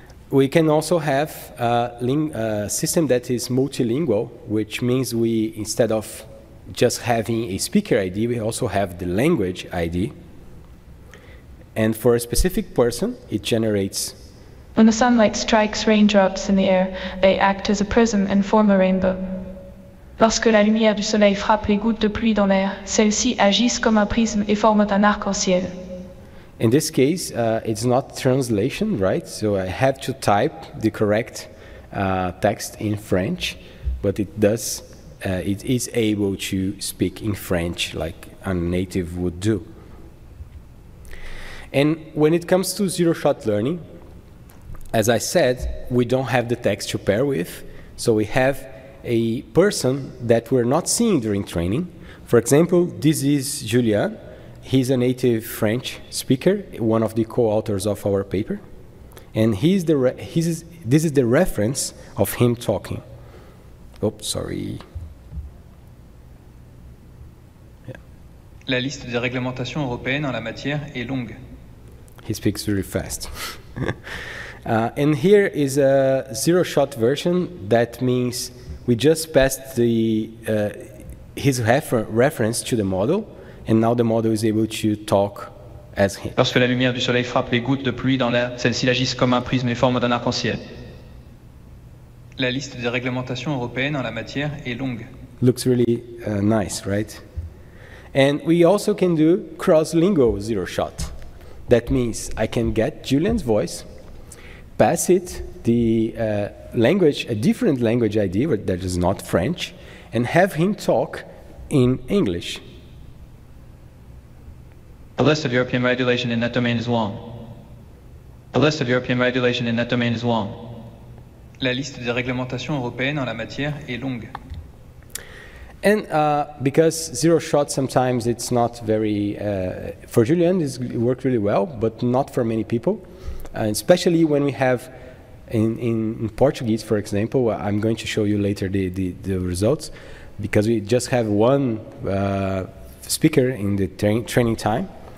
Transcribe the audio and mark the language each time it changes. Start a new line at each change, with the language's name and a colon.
English: We can also have a system that is multilingual, which means we, instead of just having a speaker ID, we also have the language ID. And for a specific person, it generates. When the sunlight strikes raindrops in the air, they act as a prism and form a rainbow.
French: Lorsque la lumière du soleil frappe les gouttes de pluie dans l'air, celles-ci agissent comme un prisme et forment un arc-en-ciel.
English: In this case, it's not translation, right? So I have to type the correct text in French, but it does, it is able to speak in French like a native would do. And when it comes to zero-shot learning, as I said, we don't have the text to pair with, so we have a person that we're not seeing during training. For example, this is Julien. He's a native French speaker, one of the co-authors of our paper, and this is the reference of him talking. Oops, sorry. Yeah.
French: La liste des réglementations européennes en la matière est longue.
English: He speaks very fast. And here is a zero-shot version. That means we just passed the his reference to the model, and now the model is able to talk as him.
French: Lorsque la lumière du soleil frappe les gouttes de pluie dans l'air, celles-ci agissent comme un prisme et forment un arc-en-ciel. La liste des réglementations européennes en la matière est longue.
English: Looks really nice, right? And we also can do cross-lingual zero-shot. That means I can get Julian's voice, pass it the language, a different language ID that is not French, and have him talk in English. The list of European regulation in that domain is long. The list of European regulation in that domain is long.
French: La liste des réglementations européennes en la matière est longue.
English: And because zero shot sometimes it's not very, for Julian it worked really well, but not for many people. Especially when we have in Portuguese, for example, I'm going to show you later the results, because we just have one speaker in the training time.